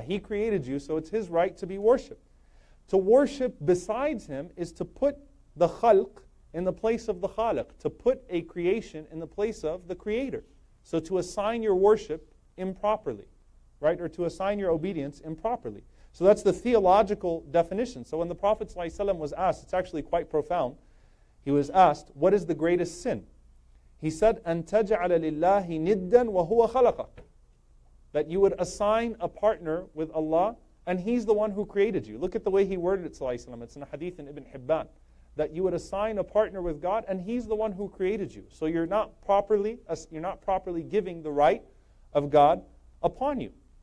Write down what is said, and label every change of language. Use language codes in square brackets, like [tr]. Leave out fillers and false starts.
[en] He created you, so it's his right to be worshipped. To worship besides him is to put the khalq in the place of the khaliq, to put a creation in the place of the creator. So to assign your worship improperly, right? Or to assign your obedience improperly. So that's the theological definition. So when the Prophet ﷺ was asked, it's actually quite profound. He was asked, what is the greatest sin? He said, [ar] أَن تَجْعَلَ لِلَّهِ نِدًّا وَهُوَ خَلَقَكَ. [en] That you would assign a partner with Allah, and He's the one who created you. Look at the way he worded it, sallallahu alayhi wa sallam. It's in a hadith in Ibn Hibban. That you would assign a partner with God, and He's the one who created you. So you're not properly giving the right of God upon you.